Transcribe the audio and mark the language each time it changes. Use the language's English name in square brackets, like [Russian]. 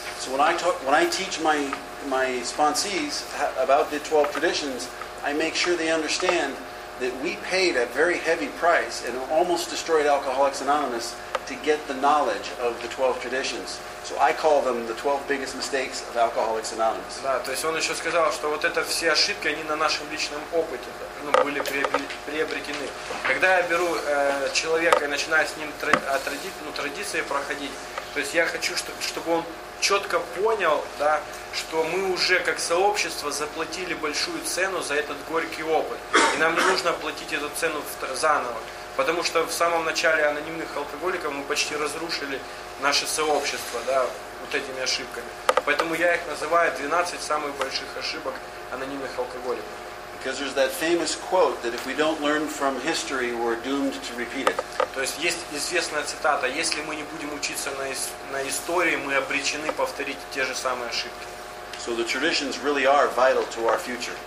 [English] So when I teach my sponsees about the 12 traditions, I make sure they understand that we paid a very heavy price and almost destroyed Alcoholics Anonymous to get the knowledge of the 12 traditions. So I call them the 12 biggest mistakes of Alcoholics Anonymous. [Russian] Да, то есть он еще сказал, что вот это все ошибки, они на нашем личном опыте были приобретены. Когда я беру человека и начинаю с ним традиции проходить, то есть я хочу, чтобы он четко понял, да, что мы уже как сообщество заплатили большую цену за этот горький опыт. И нам не нужно платить эту цену заново. Потому что в самом начале анонимных алкоголиков мы почти разрушили наше сообщество, да, вот этими ошибками. Поэтому я их называю 12 самых больших ошибок анонимных алкоголиков. [English] Because there's that famous quote that if we don't learn from history, we're doomed to repeat it. [Russian] То есть есть известная цитата: если мы не будем учиться на истории, мы обречены повторить те же самые ошибки. [English] So the traditions really are vital to our future.